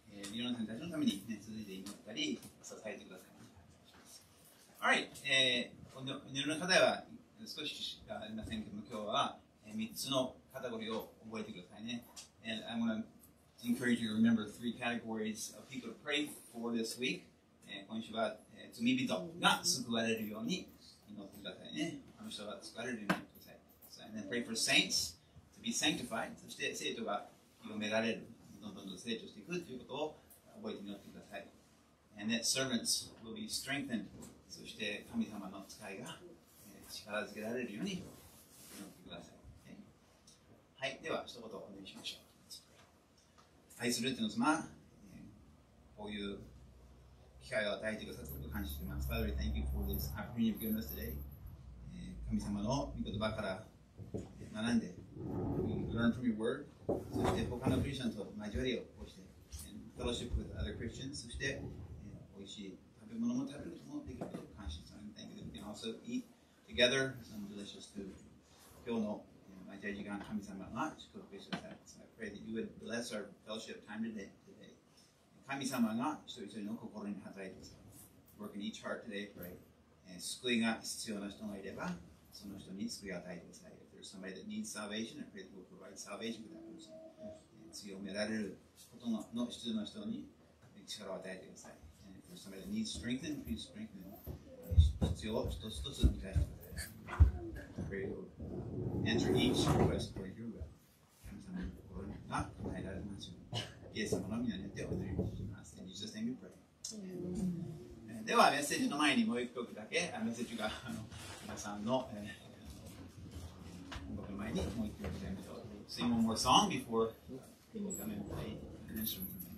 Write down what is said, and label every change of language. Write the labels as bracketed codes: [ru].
[ja] ミロナさんたちのために、ね、続いて祈ったり、支えてください。はい、祈りの課題は少ししかありませんけども、今日は、3つのカテゴリーを覚えてくださいね。 [en] And I'm going to encourage you to remember three categories of people to pray for this week. [ja] 今週は、罪人が救われるように祈ってくださいね。あの人が救われるように祈ってください。 [en] So, and then pray for saints to be sanctified. [ja] そして、聖徒が清められる。どんどん成長していくということを覚えて祈ってください。 [en] And that servants will be strengthened. [ja] そして神様の使いが力づけられるように祈ってください。はい、では一言お願いしましょう。愛する天の様、こういう機会を与えてくださったことを感謝しています。 [en] Father, thank you for this opportunity you've given us today. [ja] 神様の御言葉から学んで、 [en] We learn from your word. [ja] そして他のクリスチャンと交わりをこうしてフェローシップ [en] with other Christians [ja] そして美味しい食べ物も食べることもできることを感謝します。 [en] Thank you that we can also eat together some delicious food. [ja] 今日の交わり時間神様が祝福してください。 [en] So I pray that you would bless our fellowship time today. [ja] 神様が一人一人の心に働いてください。 [en] Work in each heart today, pray. [ja] 救いが必要な人がいればその人に救いを与えてください。 [en] If there's somebody that needs salvation, I pray that we'll provide salvation for that. [ja] 強められることの必要な人に力を与えてください。 [en] And if there's somebody that needs strengthening, please strengthen them. [ja] 必要を一つ一つ満たしてください。 [en] Pray to answer each request for your will. [ja] 神様の心が答えられますように。イエス様の御名によってお祈りします。 [en] In Jesus' name we pray. Amen. [ja] ではメッセージの前にもう一曲だけメッセージが皆さんの僕の前にもう一曲歌いましょう。 [en] Sing one more song before people come and play an instrument.